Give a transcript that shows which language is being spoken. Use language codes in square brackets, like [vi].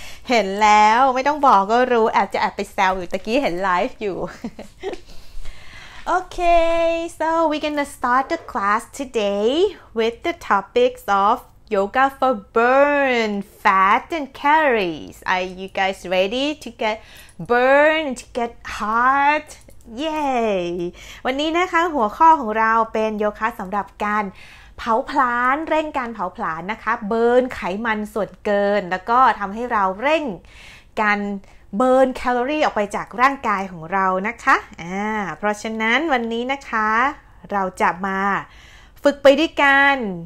[th] เห็นแล้วไม่ต้องบอกก็รู้แอบจะแอบไปแซวอยู่ตะกี้เห็นไลฟ์อยู่ [en] Okay, so we're gonna start the class today with the topics of yoga for burn, fat, and calories. Are you guys ready to get burned, to get hot? Yay! [th] วันนี้นะคะหัวข้อของเราเป็นโยคะสำหรับการเผาผลาญเร่งการเผาผลาญนะคะเบิร์นไขมันส่วนเกินแล้วก็ทำให้เราเร่งการเบิร์นแคลอรี่ออกไปจากร่างกายของเรานะคะเพราะฉะนั้นวันนี้นะคะเราจะมาฝึกไปด้วยกัน